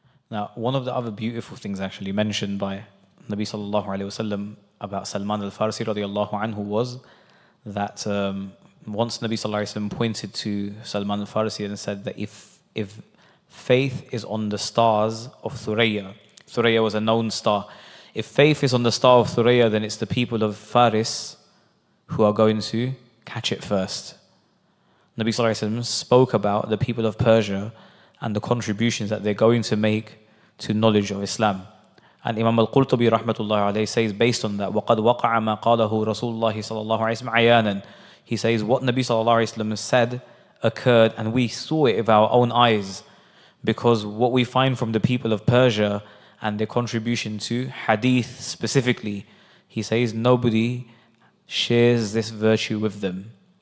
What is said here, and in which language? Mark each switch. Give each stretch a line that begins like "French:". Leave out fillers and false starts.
English: Now, one of the other beautiful things actually mentioned by Nabi sallallahu alayhi wa sallam about Salman al-Farsi radiallahu anhu was that once Nabi sallallahu alayhi wa sallam pointed to Salman al-Farsi and said that if faith is on the stars of Thuraya, Thuraya was a known star, if faith is on the star of Thuraya, then it's the people of Faris who are going to catch it first. Nabi sallallahu alayhi wa sallam spoke about the people of Persia and the contributions that they're going to make to knowledge of Islam. And Imam Al-Qurtubi rahmatullahi alayhi says, based on that,
Arabic: وَقَدْ وَقَعَ مَا قَالَهُ رَسُولُ اللَّهِ صَلَى اللَّهُ عَيْسَمْ عَيَانًا.
English: He says, what Nabi Sallallahu Alaihi Wasallam said occurred, and we saw it with our own eyes, because what we find from the people of Persia and their contribution to hadith specifically, he says, nobody shares this virtue with them.